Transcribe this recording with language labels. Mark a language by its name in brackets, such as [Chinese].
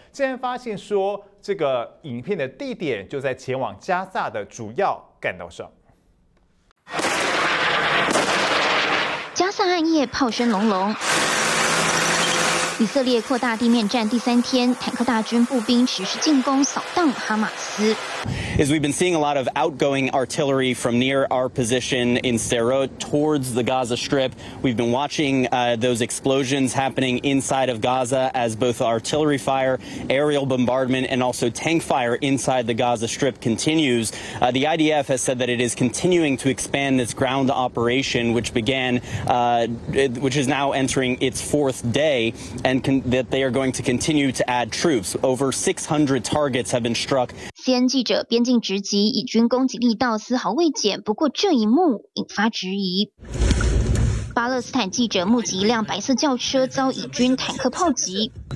[Chinese] 竟然发现说，这个影片的地点就在前往加萨的主要干道上。加萨暗夜炮声隆隆，以色列扩大地面战第三天，坦克大军步兵持续进攻扫荡哈马斯。 [English] As we've been seeing a lot of outgoing artillery from near our position in Sderot towards the Gaza Strip, we've been watching those explosions happening inside of Gaza as both artillery fire, aerial bombardment, and also tank fire inside the Gaza Strip continues. The IDF has said that it is continuing to expand its ground operation, which began, which is now entering its fourth day, and that they are going to continue to add troops. Over 600 targets have been struck. [Chinese] CNN 记者边境直击，以军攻击力道丝毫未减，不过这一幕引发质疑。巴勒斯坦记者目击一辆白色轿车遭以军坦克炮击。